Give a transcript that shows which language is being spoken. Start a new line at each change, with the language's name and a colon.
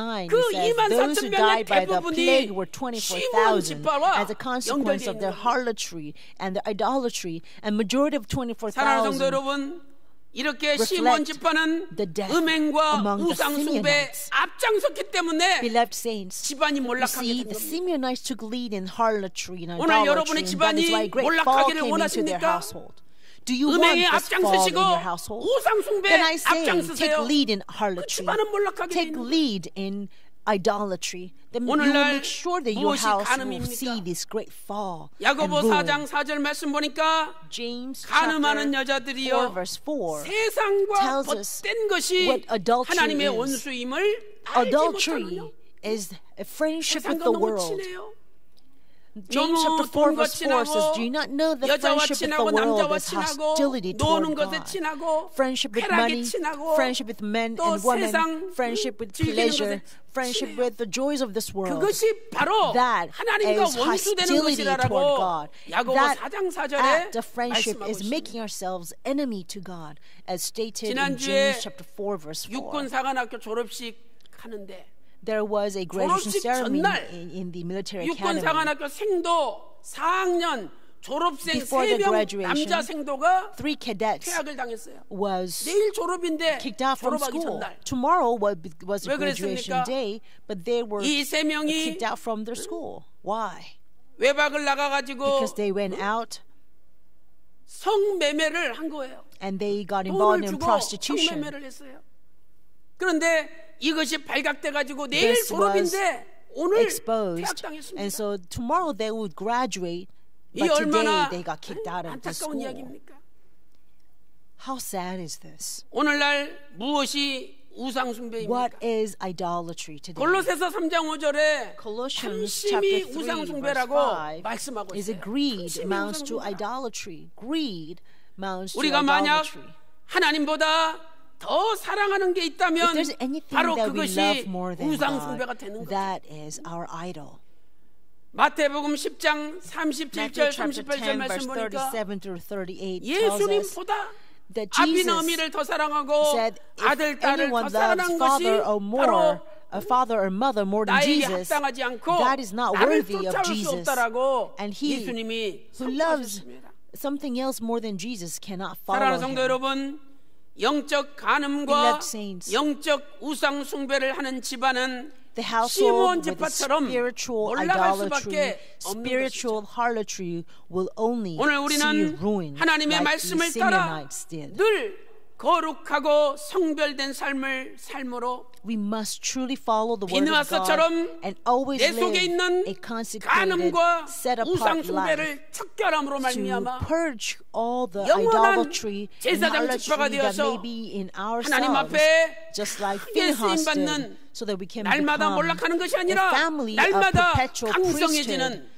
Korean: 그 2만 4천 명의 대부분이 시므온 지파와
English: as a consequence of their harlotry and their idolatry and majority of 24,000
Korean: 여러분 이렇게 시므온 지파는 음행과 우상 숭배 앞장섰기 때문에
English: beloved saints,
Korean: 집안이 몰락하게
English: see,
Korean: 겁니다.
English: The Simeonites took lead in harlotry and idolatry.
Korean: 오늘 여러분의 집안이 몰락하기를 원하십니까?
English: Do you want this fall in your household? Then I say, take lead in harlotry. Take lead in idolatry. Then you will make sure that your house will see this great fall.
Korean: 야고보 4장 4절 말씀 보니까
English: James chapter 4 verse 4
Korean: 세상과 헛된 것이 하나님의 원수임을
English: adultery is a friendship with the world. James chapter 4 verse 4 says, do you not know that friendship with the world is hostility toward God? Friendship with money, friendship with men and women, friendship with pleasure, friendship with the joys of this world. That is hostility toward God. That act of friendship is making ourselves enemy to God, as stated in James chapter 4 verse 4.
Korean: 육군사관학교 졸업식 하는데
English: there was a graduation ceremony in the military academy.
Korean: 육군사관학교 생도 4학년 졸업생
English: before
Korean: 3명
English: the graduation,
Korean: 남자 생도가
English: three cadets
Korean: 퇴학을 당했어요.
English: Was
Korean: 내일 졸업인데
English: kicked out from school. Tomorrow was the graduation day, but they were kicked out from their school. Why?
Korean: 외박을 나가가지고
English: because they went out
Korean: 성매매를 한 거예요.
English: And they got involved in prostitution.
Korean: 성매매를 했어요. 그런데 이것이 발각돼 가지고 내일 졸업인데 오늘
English: exposed,
Korean: 퇴학당했습니다.
English: And so tomorrow they would graduate, but today they got kicked out of the school.
Korean: 이야기입니까?
English: How sad is this?
Korean: 오늘날 무엇이 우상 숭배입니까?
English: What is idolatry today?
Korean: 골로새서 3장 5절에 탐심이 우상 숭배라고 말씀하고 있어요.
English: Is a greed amounts to idolatry. Greed amounts to idolatry.
Korean: 우리가 만약 하나님보다 더 사랑하는 게 있다면 바로 그것이 우상 숭배가 되는 거죠. 마태복음 10장 37절 38절 말씀 보니까 예수님보다 아비너미를 더 사랑하고 아들 딸을 더 사랑한 것이 바로
English: a father or mother more than Jesus, that is not worthy of Jesus. And he who loves something else more than Jesus cannot follow him.
Korean: 영적 간음과 영적 우상 숭배를 하는 집안은 시므온 집파처럼 올라갈 수밖에
English: spiritual harlotry will only
Korean: 오늘 우리는 하나님의 말씀을 따라 늘 거룩하고 성별된 삶을 삶으로
English: We must truly follow the word of God and always live a consecrated, set apart life to purge all the idolatry and harlotry that may be in ourselves, just like Phinehas did, so that we can become a family of perpetual priesthood.